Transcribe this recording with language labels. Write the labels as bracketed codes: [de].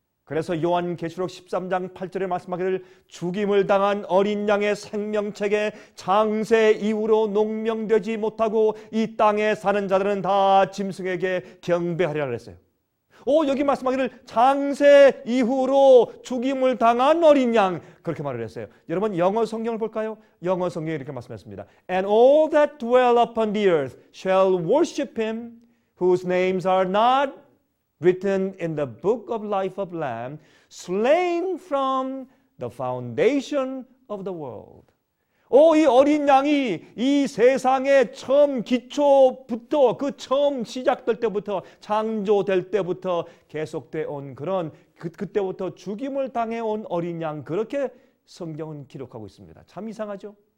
[ko] 그래서 요한 계시록 13장 8절에 말씀하기를 죽임을 당한 어린 양의 생명책에 창세 이후로 농명되지 못하고 이 땅에 사는 자들은 다 짐승에게 경배하리라 그랬어요. 여기 말씀하기를 창세 이후로 죽임을 당한 어린 양 그렇게 말을 했어요. 여러분 영어 성경을 볼까요? 영어 성경이 이렇게 말씀했습니다. [en] And all that dwell upon the earth shall worship him whose names are not written in the book of life of Lamb, slain from the foundation of the world. [ko] 이 어린 양이 이 세상의 처음 기초부터 그 처음 시작될 때부터 창조될 때부터 계속되어 온 그런 그때부터 죽임을 당해온 어린 양 그렇게 성경은 기록하고 있습니다. 참 이상하죠?